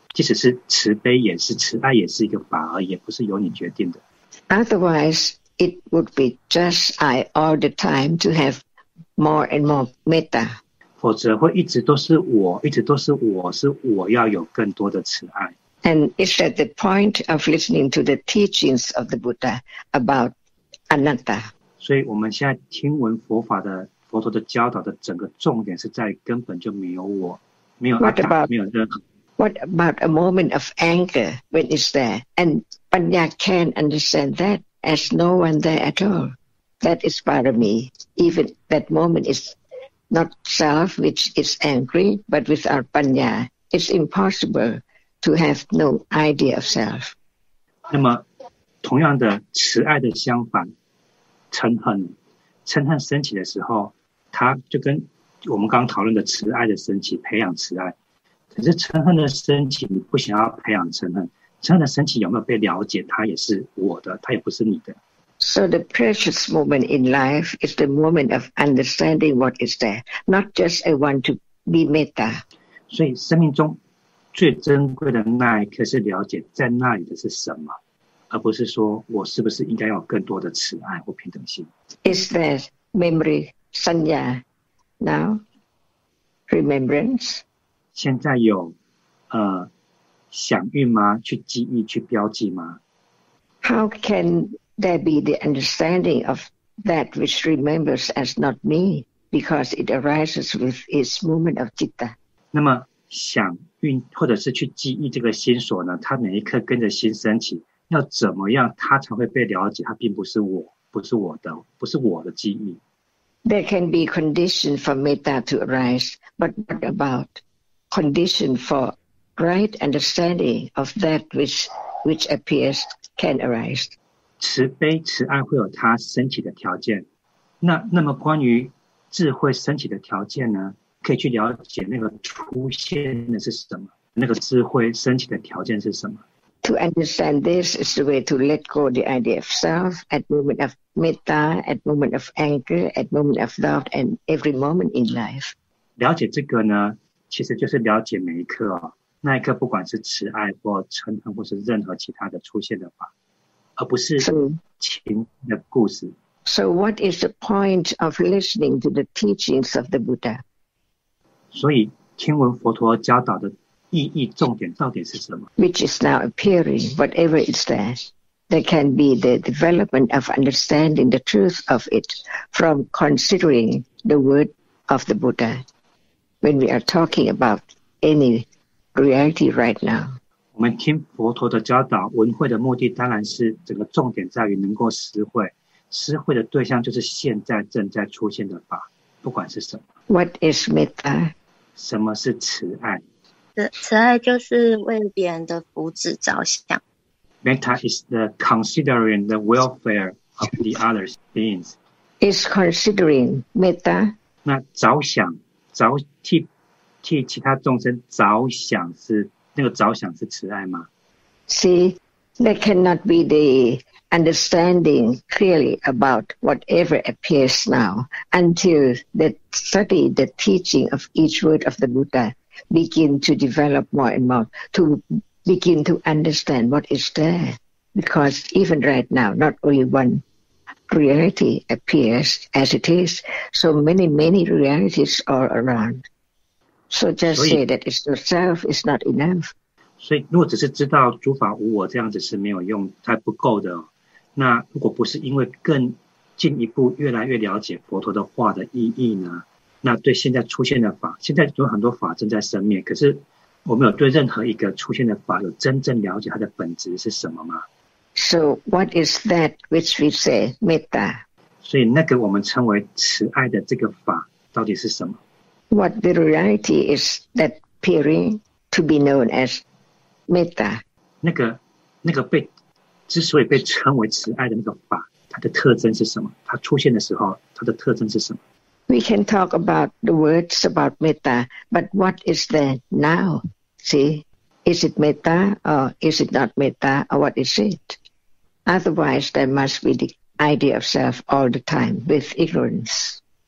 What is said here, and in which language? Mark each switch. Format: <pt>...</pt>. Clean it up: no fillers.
<zh>即使是慈悲，也是慈爱，也是一个法而已，也不是由你决定的。</zh> <en>Otherwise, it would be just I all the time to have more and more metta.</en> <zh>否则会一直都是我，一直都是我，是我要有更多的慈爱。</zh> <en>And it's at the point of listening to the teachings of the Buddha about. Anatta.</en> <zh>所以我们现在听闻佛法的佛陀的教导的整个重点是在根本就没有我，没有阿达，没有任何。</zh> <en>What about a moment of anger when it's there? And Panya can understand that as no one there at all. That is part of me. Even that moment is not self which is angry, but without Panya, it's impossible to have no idea of self.</en> <zh>那么同样的慈爱的相反嗔恨升起的时候，它就跟我们刚讨论的慈爱的升起，培养慈爱，可是嗔恨的升起，你不想要培养嗔恨，嗔恨的升起有没有被了解，它也是我的，它也不是你的。</zh> <en>So the precious moment in life is the moment of understanding what is there, not just I want to be metta.</en> <zh>所以生命中最珍贵的那一刻是了解在那里的是什么，而不是说我是不是应该要更多的慈爱或平等心。</zh> <en>Is there memory, sanya, now, remembrance?</en> <zh>现在有想运吗？去记忆，去标记吗？</zh> <en>How can there be the understanding of that which remembers as not me, because it arises with its moment of citta?</en> <zh>那么想运或者是去记忆这个心所呢，他每一刻跟着心升起，要怎么样他才会被了解，他并不是我，不是我的，不是我的记忆。</zh> <en>There can be condition for metta to arise, but what about condition for right understanding of that which appears can arise?</en> <zh>慈悲慈爱会有它升起的条件。那么关于智慧升起的条件呢？可以去了解那个出现的是什么，那个智慧升起的条件是什么。</zh> <en>To understand this is the way to let go the idea of self at moment of metta, at moment of anger, at moment of love, and every moment in life.</en> <zh>了解这个呢，其实就是了解每一刻哦，那一刻不管是慈爱或嗔恨或是任何其他的出现的法，而不是情的故事。</zh> <en>So what is the point of listening to the teachings of the Buddha?</en> <zh>所以听闻佛陀教导的意义重点到底是什么？</zh> <en>Which is now appearing, whatever is that, there can be the development of understanding the truth of it from considering the word of the Buddha when we are talking about any reality right now.</en> <zh>我们听佛陀的教导，闻慧的目的当然是整个重点在于能够识慧。思慧的对象就是现在正在出现的法，不管是什么。</zh> <en>What is metta?</en> <zh>什么是慈爱？慈爱就是为别人的福祉着想。</zh> <en>Metta is the considering the welfare of the other beings. Is considering metta?</en> <zh>那着想，替其他众生着想是那个着想是慈爱吗</zh> <en>？See, that cannot be the. Understanding clearly about whatever appears now until the study, the teaching of each word of the Buddha begin to develop more and more to begin to understand what is there. Because even right now, not only one reality appears as it is, so many, many realities all around. So just say that it's yourself is not enough.</en> <zh>所以如果只是知道诸法无我这样子是没有用，它不够的。那如果不是因为更进一步越来越了解佛陀的话的意义呢，那对现在出现的法，现在有很多法正在生灭，可是我们有对任何一个出现的法有真正了解它的本质是什么吗？</zh> <en>So what is that which we say metta?</en> <zh>所以那个我们称为慈爱的这个法到底是什么？</zh> <en>What the reality is that appearing to be known as metta?</en> <zh>那个被之所以被称为慈爱的那个法，它的特征是什么？它出现的时候，它的特征是什么</zh> <en>？We can talk about the words about metta, but what is there now? See, is it metta or is it not metta or what is it? Otherwise, there must be the idea of self all the time with ignorance.</en>